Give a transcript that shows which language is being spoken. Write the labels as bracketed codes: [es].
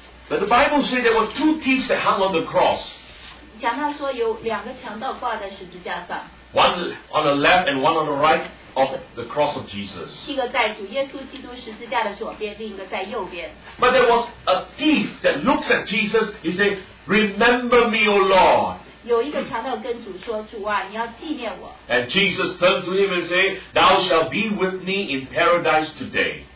[en] But the Bible says there were two thieves that hung on the cross. [zh] 讲到说有两个强盗挂在十字架上。 [en] One on the left and one on the right of the cross of Jesus. But there was a thief that looks at Jesus, he said, Remember me, O Lord. And Jesus turned to him and said, Thou shalt be with me in paradise today.